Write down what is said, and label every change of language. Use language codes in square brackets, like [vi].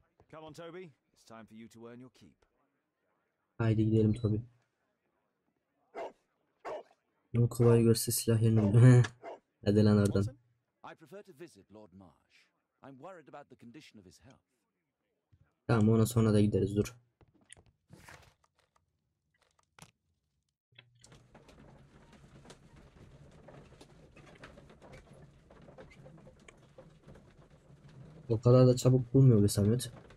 [en] Come on Toby, it's time for you to earn your keep. [tr] Haydi gidelim Toby. Bunu kolay görse silah yerine. Hadi lan oradan. [en] I prefer to visit Lord Marsh. I'm worried about the condition of his health. [tr] Tamam, ona sonra da gideriz, dur. O kadar da çabuk bulmuyor be Samet.